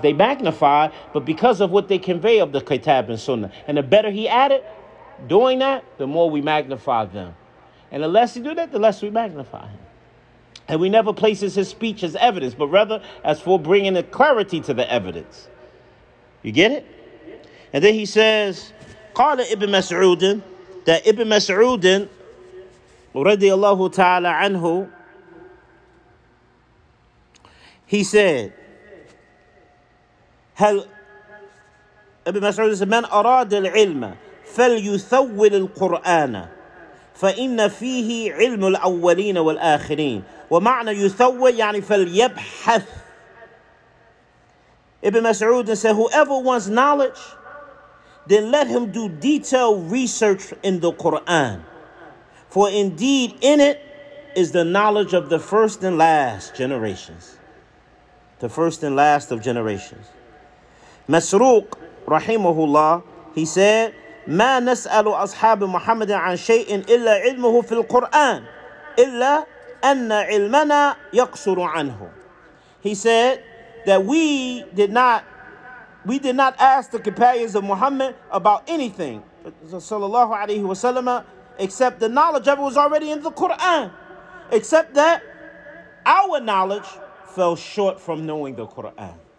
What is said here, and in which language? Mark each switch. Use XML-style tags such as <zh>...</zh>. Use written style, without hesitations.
<en>They magnify, but because of what they convey of the Kitab and Sunnah. And the better he added doing that, the more we magnify them. And the less he do that, the less we magnify him. And we never places his speech as evidence, but rather as for bringing a clarity to the evidence. You get it? And then he says,</en> <ar>قال Ibn Mas'ud,</ar> <en>that Ibn Mas'ud radiallahu ta'ala anhu, he said,</en> <ar>هل</ar> <en>Ibn Mas'ud said,</en> <ar>من أراد العلم فليثول القرآن فإن فيه علم الأولين والآخرين ومعنى يثول يعني فليبحث.</ar> <en>Ibn Mas'ud said, whoever wants knowledge, then let him do detailed research in the Quran, for indeed in it is the knowledge of the first and last generations. The first and last of generations. Masruq, rahimahullah, he said,</en> <ar>ما نسأل أصحاب محمد عن شيء إلا علمه في القرآن إلا أن علمنا يقصر عنه.</ar> <en>He said that we did not ask the companions of Muhammad about anything, sallallahu alayhi wasallam, except the knowledge of it was already in the Quran, except that our knowledge fell short from knowing the Quran.</en>